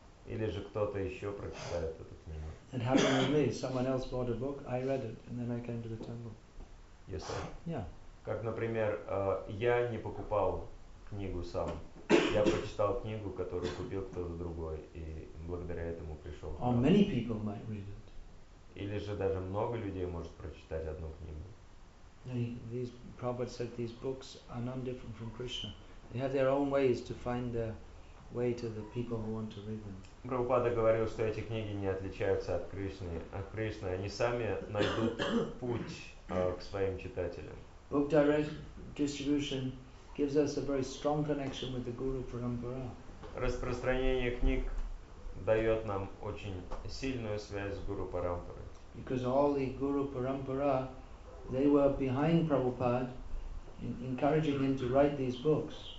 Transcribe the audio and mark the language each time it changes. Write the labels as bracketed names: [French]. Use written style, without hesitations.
[Russian] Или же кто-то еще прочитает эту книгу. [English] It happened with me. Someone else bought a book, I read it, and then I came to the temple. Yes, sir. Yeah. [Russian] Как, например, я не покупал книгу сам. Я прочитал книгу, которую купил кто-то другой, и благодаря этому пришел. [English] Or many people might read it. [Russian] Или же даже много людей может прочитать одну книгу. [English] These Prabhupada said these books are none different from Krishna. They have their own ways to find their way to the people who want to read them. [Russian] Прабхупада говорил, что эти книги не отличаются от Кришны. От Кришны они сами найдут путь к своим читателям. [English] Book direct distribution gives us a very strong connection with the Guru Parampara. [Russian] Распространение книг дает нам очень сильную связь с Guru Parampara. [English] Because all the Guru Parampara, they were behind Prabhupada, encouraging him to write these books.